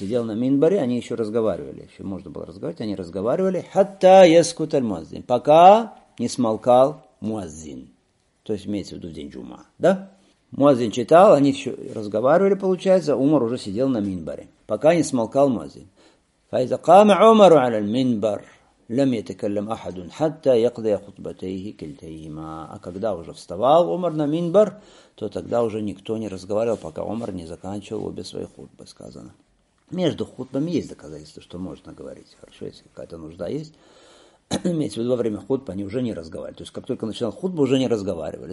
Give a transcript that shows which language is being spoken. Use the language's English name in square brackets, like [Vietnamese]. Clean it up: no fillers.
[Russian] Сидел на минбаре, они еще разговаривали. Еще можно было разговаривать, они разговаривали. [Arabic] Хатта яскут аль-муаззин. [Russian] Пока не смолкал муаззин. То есть имеется в виду день джума, да? Муаззин читал, они все разговаривали, получается, Умар уже сидел на минбаре, пока не смолкал муаззин. [Arabic] فإذا قام عمر على المنبر لم يتكلم أحد حتى يقضي خطبتيه كلتيهما. [Russian] А когда уже вставал Умар на минбар, то тогда уже никто не разговаривал, пока Умар не заканчивал обе свои хутбы, сказано. Между хутбами есть доказательство, что можно говорить. Хорошо, если какая-то нужда есть. Имеется в виду, во время хутбы они уже не разговаривали. То есть, как только начинал хутбу, уже не разговаривали.